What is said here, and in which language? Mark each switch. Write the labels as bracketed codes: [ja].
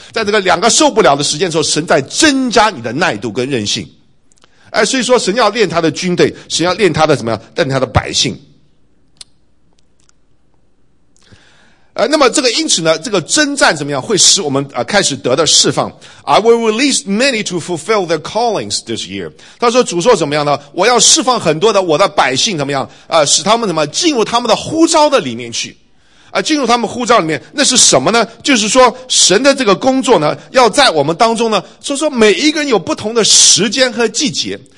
[zh] 在这个两个受不了的时间的时候，神在增加你的耐度跟韧性。所以说神要练他的军队，神要练他的怎么样？练他的百姓。那么这个因此呢，这个征战怎么样会使我们开始得到释放。 [en] I will release many to fulfill their callings this year. [zh] 他说主说怎么样呢，我要释放很多的我的百姓怎么样使他们怎么进入他们的呼召的里面去。进入他们呼召里面，那是什么呢？就是说神的这个工作呢要在我们当中呢，所以说每一个人有不同的时间和季节。